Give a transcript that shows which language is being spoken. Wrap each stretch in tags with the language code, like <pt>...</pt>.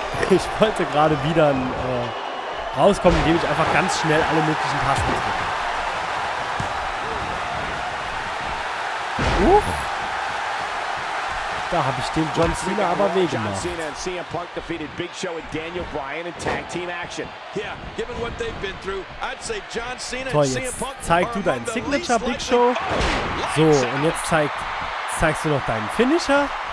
<de>Ich wollte gerade wieder rauskommen, indem ich einfach ganz schnell alle möglichen Tasten drücke. Uff. Da habe ich dem John Cena aber wehgemacht.</de> <en>John Cena</en> <de>und</de> <en>CM Punk defeated Big Show and Daniel Bryan in Tag Team Action. Yeah, given what they've been through, I'd say John Cena and CM Punk.</en> <de>Zeig du deinen Signature, Big Show. So, und jetzt zeigst du noch deinen Finisher.</de>